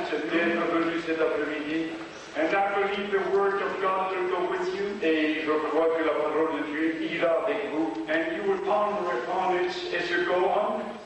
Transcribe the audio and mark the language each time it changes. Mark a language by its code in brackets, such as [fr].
[en] And I believe the word of God will go with you. [fr] Et je crois que la parole de Dieu ira avec vous. [en] And you will ponder upon it as you go on.